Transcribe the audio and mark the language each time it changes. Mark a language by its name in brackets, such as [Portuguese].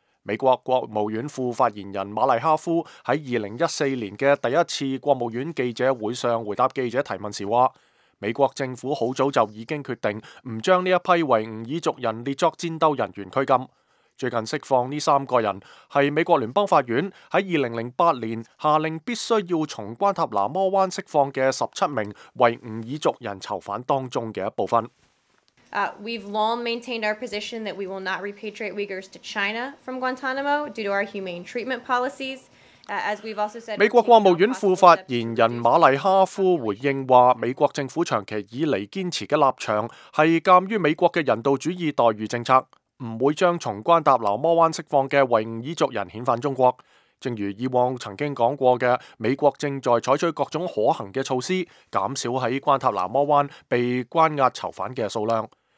[Chinese] 美国国务院副发言人马利哈夫在2014年的第一次国务院记者会上回答记者提问时说，美国政府很早就已经决定不将这一批维吾尔族人列作战斗人员拘禁。最近释放这三个人是美国联邦法院在2008年下令必须要从关塔那摩湾释放的17名维吾尔族人囚犯当中的一部分。 [English] We've long maintained our position that we will not repatriate Uyghurs to China from Guantanamo due to our humane treatment policies. [Chinese] 美国国务院副发言人马利哈夫回应说，美国政府长期以来坚持的立场是鉴于美国的人道主义待遇政策，不会将从关塔那摩湾释放的维吾尔族人遣返中国。正如以往曾经讲过的，美国正在采取各种可行的措施减少在关塔那摩湾被关押囚犯的数量。